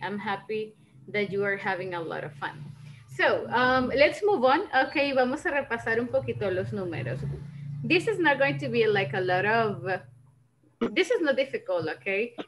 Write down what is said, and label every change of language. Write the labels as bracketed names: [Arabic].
[English] I'm happy that you are having a lot of fun. So, let's move on. [Spanish] Okay, vamos a repasar un poquito los números. [English] This is not going to be like a lot of, this is not difficult, okay?